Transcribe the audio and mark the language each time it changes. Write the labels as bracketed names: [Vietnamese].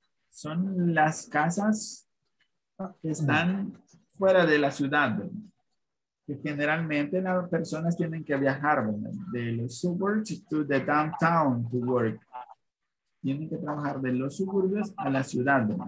[Spanish] Son las casas que están fuera de la ciudad. Que generalmente las personas tienen que viajar, ¿verdad? De los [English] suburbs to the downtown to work. [Spanish] Tienen que trabajar de los suburbios a la ciudad, ¿verdad?